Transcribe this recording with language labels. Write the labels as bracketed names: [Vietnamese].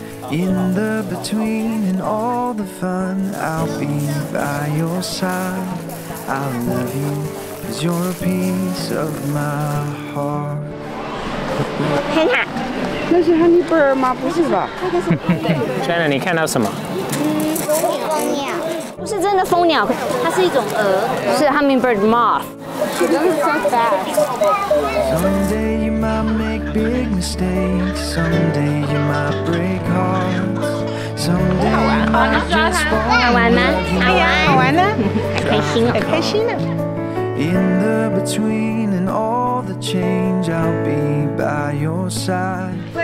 [English] In the between and all the fun, I'll be by your side. I love you 'cause you're a piece of my heart. [Chinese] 很好。那是 Honey Bird 吗？不是吧？对。 Jenna， 你看到什么？不是真的蜂鸟，它是一种蛾，是 hummingbird moth。 [English] She doesn't sound fast. Someday you might make big mistakes. Someday you might break hearts. Someday you might just fall. [Chinese] 好玩吗？好玩，好玩吗？开心，很开心啊。 [English] In the between and all the change, I'll be by your side.